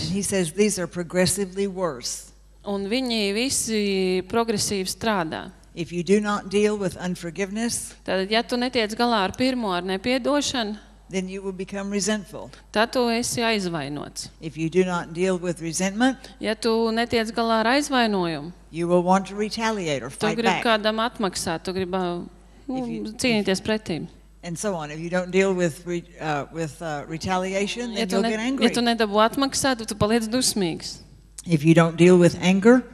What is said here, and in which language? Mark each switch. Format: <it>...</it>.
<en>And he says these are progressively worse.</en> <lv>Un viņi visi progresīvi strādā.</lv> <en>If you do not deal with unforgiveness,</en> <lv>tad, ja tu netiec galā ar pirmo, ar nepiedošanu,</lv> <en>then you will become resentful.</en> <lv>Tad tu esi aizvainots.</lv> <en>If you do not deal with resentment,</en> <lv>ja tu netiec galā ar aizvainojumu,</lv> <en>you will want to retaliate or fight back.</en> <lv>Tu gribi</lv> <en>back.</en> <lv>Kādam atmaksāt, tu gribi cīnīties pretī.</lv> <en>And so on. If you don't deal with retaliation, then you'll get angry.</en> <lv>Ja tu nedabū atmaksāt, tu paliec dusmīgs.</lv> <en>If you don't deal with anger,</en>